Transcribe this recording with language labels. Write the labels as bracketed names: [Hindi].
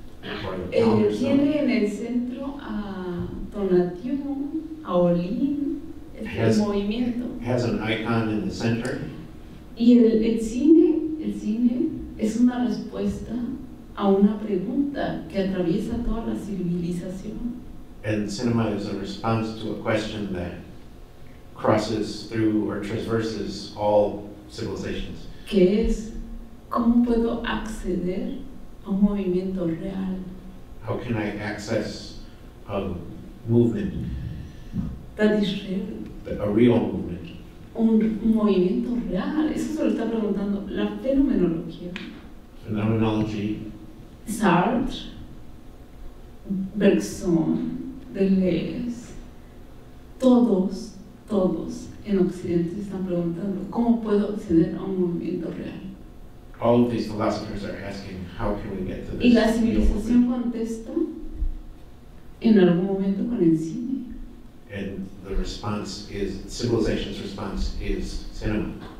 [Spanish] Tiene en el centro a Tonatiuh, a Olín, el movimiento. [English] Has an icon in the center. [Spanish] Y el cine es una respuesta a una pregunta que atraviesa toda la civilización. [English] and cinema is a response to a question that crosses through or traverses all civilizations. [Spanish] ¿Qué es? ¿Cómo puedo acceder a un movimiento real? [English] How can I access a movement? That is real. A real movement. [Spanish] Un movimiento real. Eso se lo está preguntando la fenomenología. [English] Phenomenology. [Spanish] Sartre, Bergson, Deleuze, todos en Occidente están preguntando cómo puedo acceder a un movimiento real. [English] All of these philosophers are asking, how can we get to this? [Spanish] Y la civilización contesta en algún momento con el cine. [English] And the response is, civilization's response is cinema.